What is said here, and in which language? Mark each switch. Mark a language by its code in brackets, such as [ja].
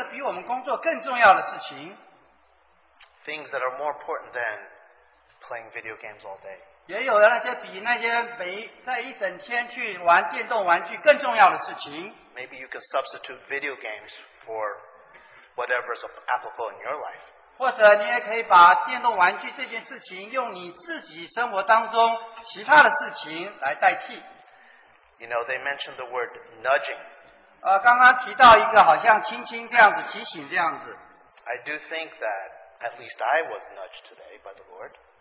[zh] 那就借着这些交通，就让我们暂时停顿一下来，就想想说，啊，的确有这比我们工作更重要的事情。 [en] Things that are more important than playing video games all day. [zh] 也有那些比那些没在一整天去玩电动玩具更重要的事情。 [en] Maybe you can substitute video games for whatever is applicable in your life. [zh] 或者你也可以把电动玩具这件事情用你自己生活当中其他的事情来代替。You [en] know, they mentioned the word nudging. [zh] 刚刚提到一个好像轻轻这样子提醒这样子。I [en] do think that at least I was nudged today by the Lord.